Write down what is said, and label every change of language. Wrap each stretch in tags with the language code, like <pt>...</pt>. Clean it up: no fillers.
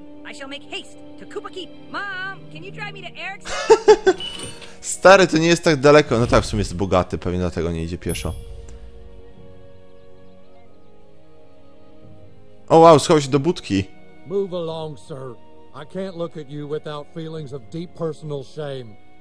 <en>I shall make haste to Koopa Keep. Mom, can you drive me to Eric's?</en> <pl>Stary, to nie jest tak daleko. No tak, w sumie jest bogaty, pewnie dlatego nie idzie pieszo. O, oh, wow, schował się do budki.</pl> <en>Move along, sir. I can't look at you without feelings of deep personal shame.</en>